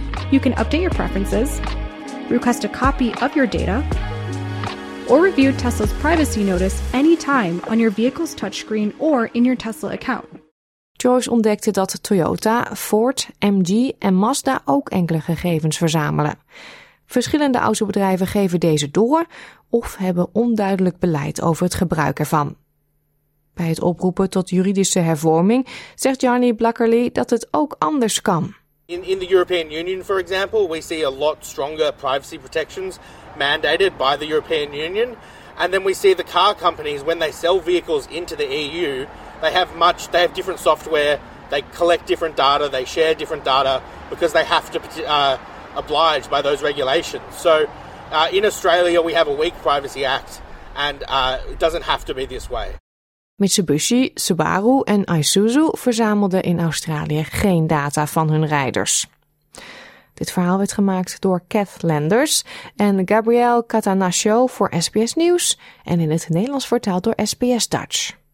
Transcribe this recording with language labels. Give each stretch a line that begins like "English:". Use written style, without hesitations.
English: You can update your preferences, request a copy of your data, or review Tesla's privacy notice anytime on your vehicle's touchscreen or in your Tesla account.
Dutch: Choice ontdekte dat Toyota, Ford, MG en Mazda ook enkele gegevens verzamelen. Verschillende autobedrijven geven deze door of hebben onduidelijk beleid over het gebruik ervan. Bij het oproepen tot juridische hervorming zegt Jarny Blackerly dat het ook anders kan.
English: In the European Union, for example, we see a lot stronger privacy protections mandated by the European Union. And then we see the car companies, when they sell vehicles into the EU, they have different software, they collect different data, they share different data, because they have to obliged by those regulations. So in Australia we have a weak privacy act and it doesn't have to be this way.
Dutch: Mitsubishi, Subaru en Isuzu verzamelden in Australië geen data van hun rijders. Dit verhaal werd gemaakt door Kath Lenders en Gabrielle Catanaccio voor SBS Nieuws en in het Nederlands vertaald door SBS Dutch.